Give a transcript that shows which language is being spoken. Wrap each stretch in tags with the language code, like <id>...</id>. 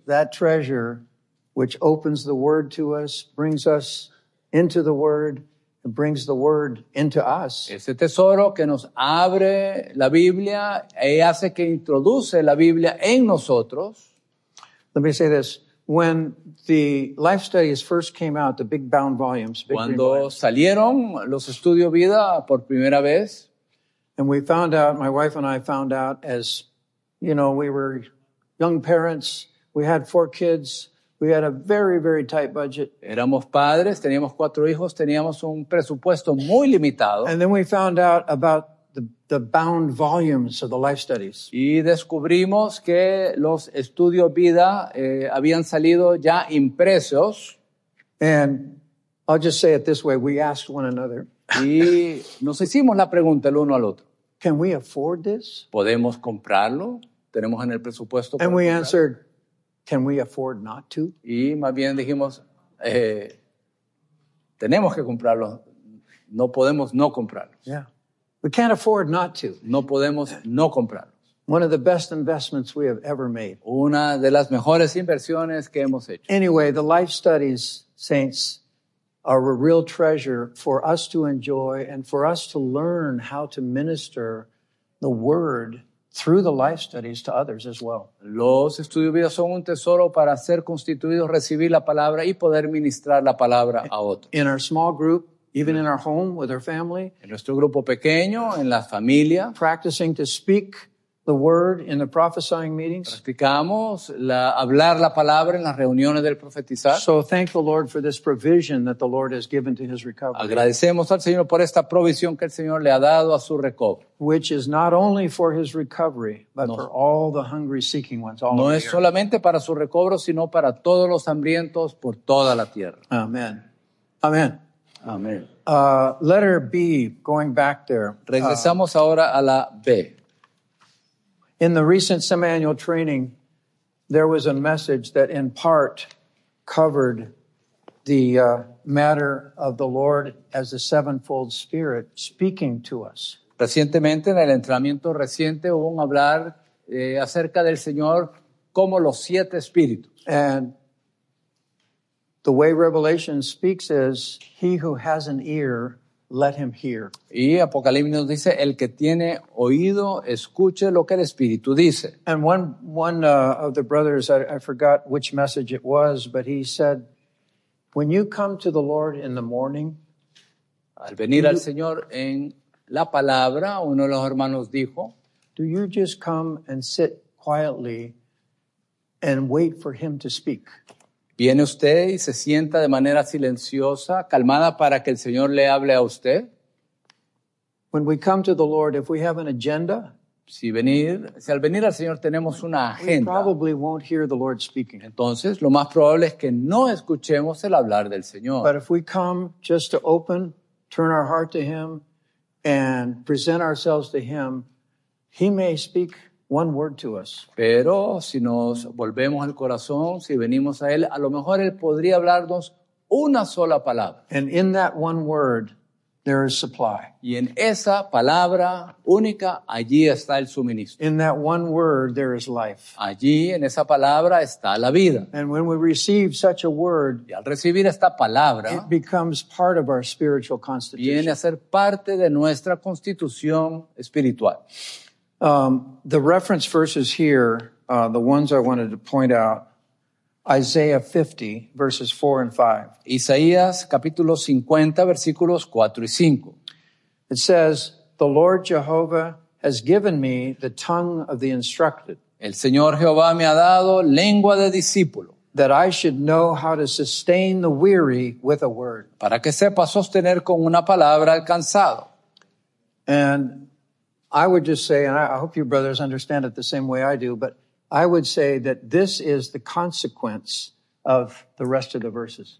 <en>That treasure which opens the Word to us into the Word, and brings the Word into us.</en> <es>Este tesoro que nos abre la Biblia y hace que introduce la Biblia en nosotros.</es> <en>Let me say this. When the Life Studies first came out, the big bound volumes, big</en> <es>cuando salieron los Estudio Vida por primera vez,</es> <en>and we found out, my wife and I found out, as you know, we were young parents, we had four kids, we had a very, very tight budget.</en> <es>Éramos padres, teníamos cuatro hijos, teníamos un presupuesto muy limitado.</es> <en>And then we found out about the bound volumes of the Life Studies.</en> <es>Y descubrimos que los Estudio Vida habían salido ya impresos.</es> <en>And I'll just say it this way, we asked one another.</en> <es>Y nos hicimos la pregunta el uno al otro.</es> <en>Can we afford this?</en> <es>¿Podemos comprarlo? ¿Tenemos en el presupuesto para</es> <en>And we</en> <es>comprar?</es> <en>Answered, can we afford not to?</en> <es>Y más bien dijimos, tenemos que comprarlo. No podemos no comprarlo.</es> <en>Yeah. We can't afford not to.</en> <es>No podemos no comprarlo.</es> <en>One of the best investments we have ever made.</en> <es>Una de las mejores inversiones que hemos hecho.</es> <en>Anyway, the Life Studies, saints, are a real treasure for us to enjoy and for us to learn how to minister the Word through the Life Studies to others as well.</en> <es>Los Estudios Vida son un tesoro para ser constituidos, recibir la palabra y poder ministrar la palabra a otros.</es> <en>In our small group, even in our home with our family,</en> <es>en nuestro grupo pequeño, en la familia,</es> <en>practicing to speak the word in the prophesying meetings.</en> <es>Practicamos hablar la palabra en las reuniones del profetizar.</es> <en>So thank the Lord for this provision that the Lord has given to his recovery.</en> <es>Agradecemos al Señor por esta provisión que el Señor le ha dado a su recobro.</es> <en>Which is not only for his recovery, but for all the hungry seeking ones all over.</en> <es>No es solamente para su recobro, sino para todos los hambrientos por toda la tierra.</es> <en>Amen. Amen. Amen. Letter B, going back there.</en> <es>Regresamos ahora a la B.</es> <en>In the recent semiannual training, there was a message that in part covered the matter of the Lord as the sevenfold Spirit speaking to us.</en> <es>Recientemente, en el entrenamiento reciente, hubo un hablar acerca del Señor como los siete espíritus.</es> <en>And the way Revelation speaks is, he who has an ear, let him hear.</en> <es>Y Apocalipsis nos dice, el que tiene oído, escuche lo que el Espíritu dice.</es> <en>And one of the brothers, I forgot which message it was, but he said, when you come to the Lord in the morning,</en> <es>al venir al Señor en la palabra, uno de los hermanos dijo,</es> <en>do you just come and sit quietly and wait for him to speak?</en> <es>¿Viene usted y se sienta de manera silenciosa, calmada, para que el Señor le hable a usted?</es> <en>When we come to the Lord, if we have an agenda,</en> <es>si al venir al Señor tenemos una agenda,</es> <en>we probably won't hear the Lord speaking.</en> <es>Entonces, lo más probable es que no escuchemos el hablar del Señor.</es> <en>But if we come just to open, turn our heart to Him, and present ourselves to Him, He may speak one word to us.</en> <es>Pero si nos volvemos al corazón, si venimos a Él, a lo mejor Él podría hablarnos una sola palabra.</es> <en>And in that one word, there is supply.</en> <es>Y en esa palabra única, allí está el suministro.</es> <en>In that one word, there is life.</en> <es>Allí, en esa palabra, está la vida.</es> <en>And when we receive such a word,</en> <es>y al recibir esta palabra,</es> <en>it becomes part of our spiritual constitution.</en> <es>Viene a ser parte de nuestra constitución espiritual.</es> <en>The reference verses here, the ones I wanted to point out, Isaiah 50, verses 4 and 5.</en> <es>Isaías, capítulo 50, versículos 4 y 5.</es> <en>It says, the Lord Jehovah has given me the tongue of the instructed.</en> <es>El Señor Jehová me ha dado lengua de discípulo.</es> <en>That I should know how to sustain the weary with a word.</en> <es>Para que sepa sostener con una palabra al cansado.</es> <en>And I would just say, and I hope you brothers understand it the same way I do, but I would say that this is the consequence of the rest of the verses.</en>